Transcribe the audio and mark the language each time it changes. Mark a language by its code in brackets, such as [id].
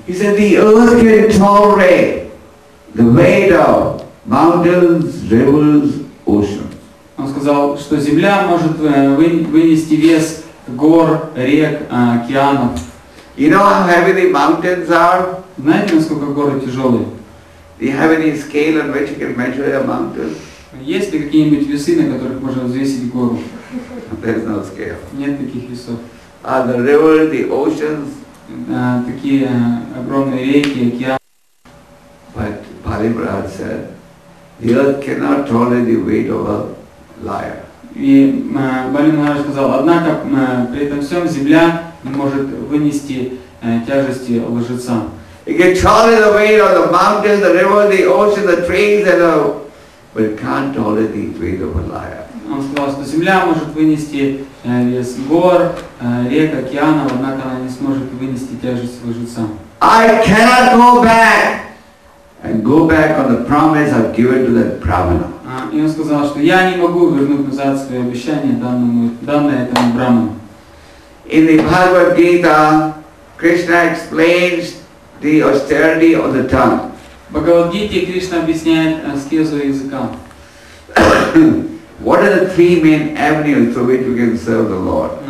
[en] He said, the earth can tolerate the weight of mountains, rivers, oceans. [ru] Он сказал, что земля может вынести вес гор, рек, океанов. [en] You know how heavy the mountains are? [ru] Знаете, насколько горы тяжелые? [en] Do you have any scale on which you can measure a mountain? [ru] Есть ли какие-нибудь весы, на которых можно взвесить гору? [en] There's no scale. [ru] Нет таких весов. [en] The rivers, the oceans. [ru] Такие огромные реки, океаны. [en] But Pali Maharaj said, the earth cannot tolerate the weight of a liar. [ru] И Пали Махарадж сказал, однако при этом всем земля не может вынести тяжести лжеца. [en] It can tolerate the weight of the mountains, the rivers, the oceans, the trees, and the but it can't tolerate the weight of a liar. [ru] Он сказал, что земля может вынести вес гор, рек, океанов, однако она не сможет вынести тяжесть лжеца. [en] I cannot go back and go back on the promise I've given to that brahmana. [ru] И он сказал, что я не могу вернуть назад свое обещание данное этому брахману. [en] In the Bhagavad Gita, Krishna explains the austerity of the tongue. [ru] В Бхагавад Гите Кришна объясняет аскезу языка. [en] What are the three main avenues through which we can serve the Lord?